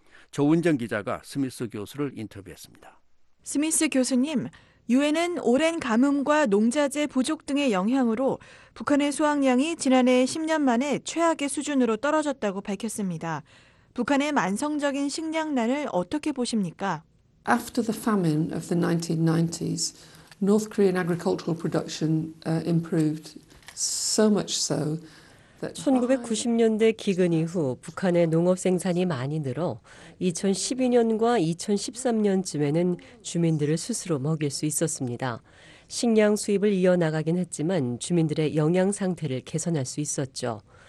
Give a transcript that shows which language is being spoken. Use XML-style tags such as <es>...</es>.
<ko>조은정 기자가 스미스 교수를 인터뷰했습니다. 스미스 교수님, 유엔은 오랜 가뭄과 농자재 부족 등의 영향으로 북한의 수확량이 지난해 10년 만에 최악의 수준으로 떨어졌다고 밝혔습니다. 북한의 만성적인 식량난을 어떻게 보십니까?</ko> <en>After the famine of the 1990s, North Korean agricultural production improved so much so.</en> <ko>1990년대 기근 이후 북한의 농업 생산이 많이 늘어 2012년과 2013년쯤에는 주민들을 스스로 먹일 수 있었습니다. 식량 수입을 이어나가긴 했지만 주민들의 영양 상태를 개선할 수 있었죠.</ko>